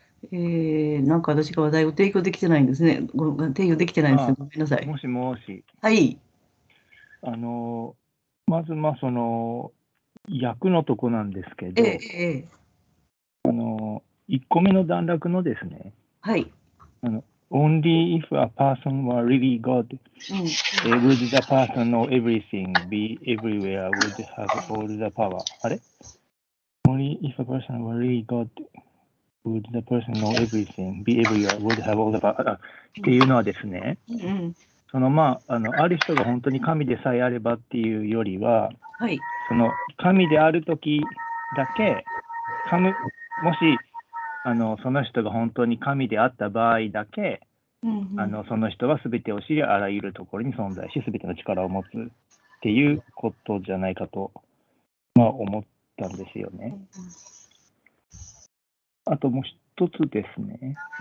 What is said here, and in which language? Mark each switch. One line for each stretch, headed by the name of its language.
Japanese: なんか私が話題を提供できてないんですね。提供できてないんですね。ごめんなさい。もしもし。はい。まず、まあ、その、役のとこなんですけど、1個目の段落のですね、はい。
English: Only if a person were really God,、うん、would the person know everything, be everywhere, would have all the power. あれ ?Only if a person were really God,Would the person know everything, be everywhere, would have all the power?
Japanese: っていうのはですね、うん、そのまあ、ある人が本当に神でさえあればっていうよりは、はい、その神であるときだけ、もしその人が本当に神であった場合だけ、うんうん、その人は全てを知り、あらゆるところに存在し、全ての力を持つっていうことじゃないかと、まあ、思ったんですよね。うんあともう一つですね、